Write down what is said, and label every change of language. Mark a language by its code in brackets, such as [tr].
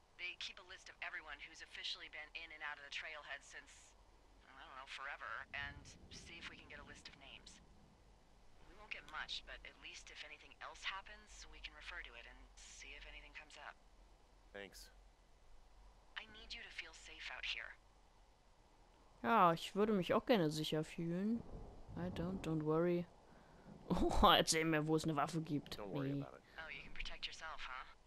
[en] They keep a list of everyone who's officially been in and out of the trailhead since, I don't know, forever, and see if we can get a list of names. We won't get much, but at least if anything else happens, we can refer to it and see if anything comes up. Thanks. I need you to feel safe out here. [de] Ja, ich würde mich auch gerne sicher fühlen. [en] Don't worry. [de] Oh, erzähl mir, wo es eine Waffe gibt. [en] Oh, you can protect yourself, huh?